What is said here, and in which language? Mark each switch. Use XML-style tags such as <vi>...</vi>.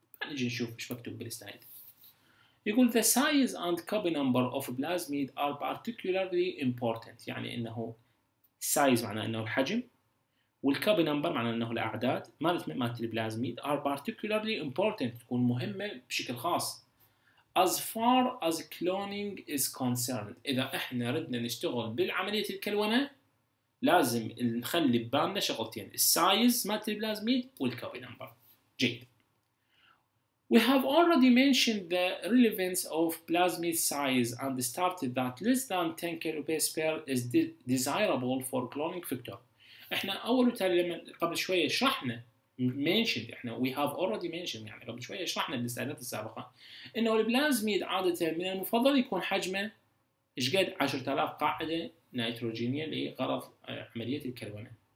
<ar>نجي نشوف ايش مكتوب بالسلايد. يقول</ar> <en>the size and copy number of plasmid are particularly important،</en> <ar>يعني انه size معناه انه الحجم، والcopy number معناه انه الاعداد مالت مالت البلازميد</ar> <en>are particularly important،</en> <ar>تكون مهمه بشكل خاص.</ar> <en>As far as cloning is concerned،</en> <ar>اذا احنا ردنا نشتغل بالعمليه الكلونه لازم نخلي ببالنا شغلتين، size مالت البلازميد والcopy number. جيد.</ar> <en>We have already mentioned the relevance of plasmid size and started that less than 10 kilobase is desirable for cloning vector.</en> <ar>احنا اول وتالي لما قبل شويه شرحنا mentioned احنا</ar> <en>we have already mentioned</en> <ar>يعني قبل شويه شرحنا بالسلايدات السابقه انه البلازميد عاده من المفضل يكون حجمه ايش قد 10000 قاعده نيتروجينيه لغرض عمليه الكلونه.</ar>